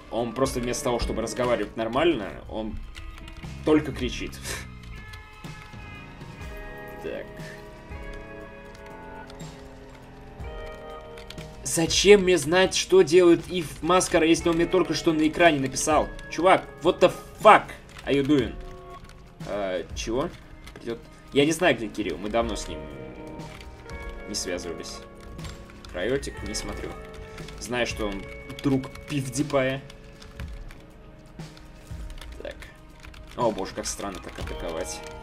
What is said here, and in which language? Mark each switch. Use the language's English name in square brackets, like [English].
[Russian] Он просто вместо того, чтобы разговаривать нормально, он только кричит. Так. Зачем мне знать, что делает Ив Маскара, если он мне только что на экране написал? Чувак, [English] what the fuck are you doing? [Russian] Чего? Придет... Я не знаю, где Кирилл, мы давно с ним не связывались. Крайотик, не смотрю. Знаю, что он друг PewDiePie. Так. О боже, как странно так атаковать.